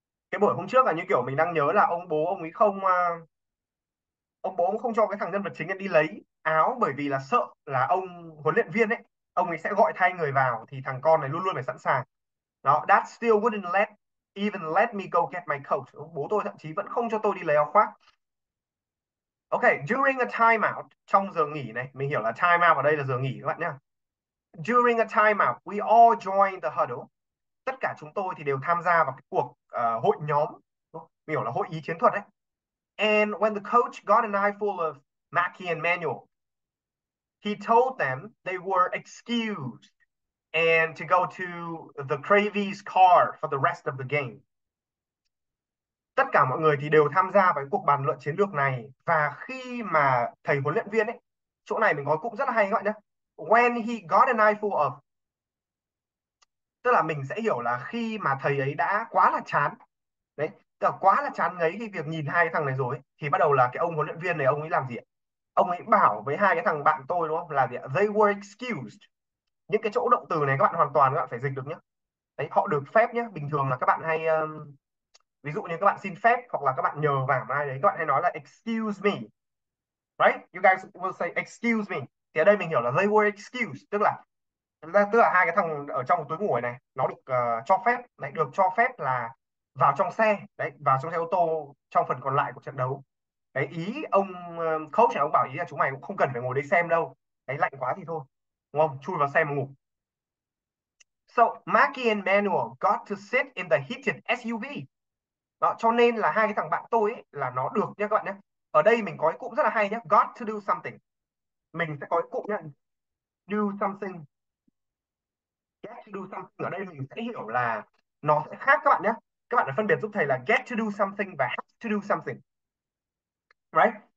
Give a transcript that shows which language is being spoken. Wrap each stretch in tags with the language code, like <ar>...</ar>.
<vi>Cái buổi hôm trước là như kiểu mình đang nhớ là ông bố ông ấy không ông bố cũng không cho cái thằng nhân vật chính ấy đi lấy áo, bởi vì là sợ là ông huấn luyện viên ấy, ông ấy sẽ gọi thay người vào thì thằng con này luôn luôn phải sẵn sàng. Đó,</vi> <en>Dad still wouldn't let even let me go get my coat.</en> <vi>Bố tôi thậm chí vẫn không cho tôi đi lấy áo khoác.</vi> <en>Ok, during a time out,</en> <vi>trong giờ nghỉ này, mình hiểu là time out ở đây là giờ nghỉ các bạn nhá.</vi> <en>During a time out, we all join the huddle.</en> <vi>Tất cả chúng tôi thì đều tham gia vào cái cuộc hội nhóm, mình hiểu là hội ý chiến thuật đấy.</vi> <en>And when the coach got an eye full of Mackie and Manuel, he told them they were excused and to go to the Cravey's car for the rest of the game.</en> <vi>Tất cả mọi người thì đều tham gia vào cái cuộc bàn luận chiến lược này. Và khi mà thầy huấn luyện viên ấy, chỗ này mình nói cũng rất là hay các bạn nhé.</vi> <en>When he got an eye full of,</en> <vi>tức là mình sẽ hiểu là khi mà thầy ấy đã quá là chán đấy, tức là quá là chán ngấy cái việc nhìn hai cái thằng này rồi ấy, thì bắt đầu là cái ông huấn luyện viên này ông ấy làm gì ạ? Ông ấy bảo với hai cái thằng bạn tôi đúng không, là gì ạ?</vi> <en>They were excused.</en> <vi>Những cái chỗ động từ này các bạn hoàn toàn các bạn phải dịch được nhé. Đấy, họ được phép nhé. Bình thường là các bạn hay ví dụ như các bạn xin phép hoặc là các bạn nhờ vả ai đấy, các bạn hay nói là</vi> <en>excuse me. Right? You guys will say excuse me.</en> <vi>Thì ở đây mình hiểu là</vi> <en>they were excused,</en> <vi>tức là hai cái thằng ở trong túi ngủ này nó được cho phép, lại được cho phép là vào trong xe, đấy, vào trong xe ô tô trong phần còn lại của trận đấu. Đấy, ý ông coach này ông bảo ý là chúng mày cũng không cần phải ngồi đấy xem đâu. Đấy, lạnh quá thì thôi, đúng không? Chui vào xe mà ngủ.</vi> <en>So, Mackie and Manuel got to sit in the heated SUV.</en> <vi>Đó, cho nên là hai cái thằng bạn tôi ấy, là nó được nhé các bạn nhé. Ở đây mình có cái cụm rất là hay nhé.</vi> <en>Got to do something.</en> <vi>Mình sẽ có cái cụm nhé.</vi> <en>Do something. Get to do something.</en> <vi>Ở đây mình sẽ hiểu là nó sẽ khác các bạn nhé. Các bạn phải phân biệt giúp thầy là</vi> <en>get to do something</en> <vi>và</vi> <en>have to do something. Right?</en>